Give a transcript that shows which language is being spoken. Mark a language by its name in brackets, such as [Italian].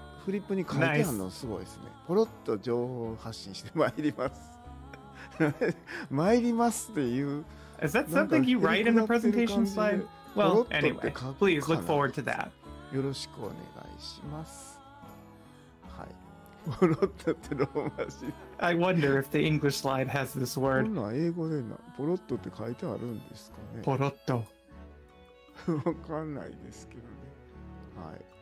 [Japanese] フリップに書いてあるのすごいですね、nice. ポロッと情報発信してまいります参りますっていう [English] Is that something you write in the presentation slide? Well, anyway, please look forward to that. [Japanese] よろしくお願いします、はい、ポロッとってローマ字 [English] I wonder if the English slide has this word. [Japanese] こんな英語でなポロッとって書いてあるんですかね、ポロッとわかんないですけどね、はい、